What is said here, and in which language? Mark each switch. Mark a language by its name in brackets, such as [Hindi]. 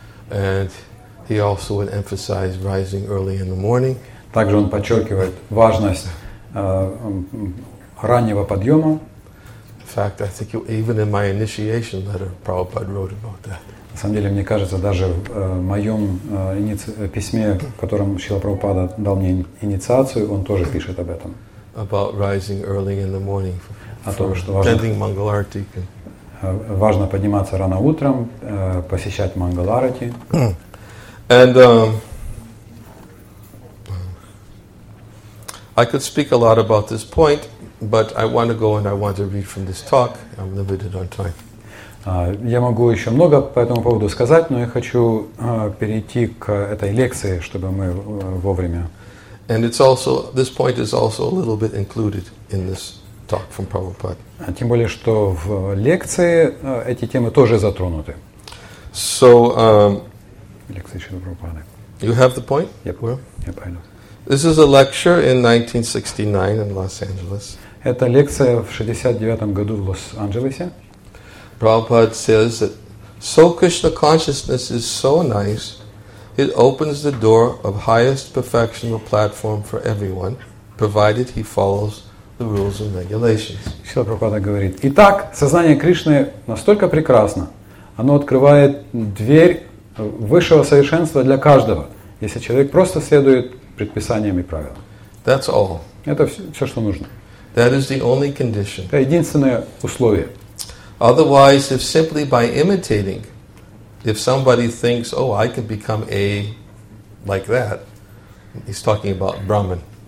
[English] And he also would emphasize rising early in the morning. [Russian] Также он подчеркивает важность раннего подъема. [English] In fact, I think even in my initiation letter, Prabhupada wrote about that. [Russian] На самом деле, мне кажется, даже в моем письме, в котором Шрила Прабхупада дал мне инициацию, он тоже пишет об этом. [English] About rising early in the morning for attending Mangal Arati. [Russian] Важно подниматься рано утром, посещать Mangal Arati. [English] And I could speak a lot about this point, but I want to go and I want to read from this talk. I'm limited on time. [Russian] Я могу еще много по этому поводу сказать, но я хочу перейти к этой лекции, чтобы мы вовремя. [English] And it's also this point is also a little bit included in this talk from Prabhupada. [Russian] Тем более, что в лекции эти темы тоже затронуты. [English] So, [Russian] лекция Шрилы Прабхупады. [English] You have the point? Yep. Well, yep, I know. This is a lecture in 1969 in Los Angeles. [Russian] Это лекция в 69-м году в Лос-Анджелесе. [English] Prabhupada says that so Krishna consciousness is so nice, it opens the door of highest perfectional platform for everyone, provided he follows the rules and regulations. [Russian] Шрила Прабхупада говорит, итак, сознание Кришны настолько прекрасно, оно открывает дверь высшего совершенства для каждого, если человек просто следует предписаниям и правилам. [English] That's all. [Russian] Это все, что нужно. [English] That is the only condition. [Russian] Это единственное условие. [English] Otherwise, if simply by imitating, if somebody thinks, oh, I can become a like that, he's talking about Brahman.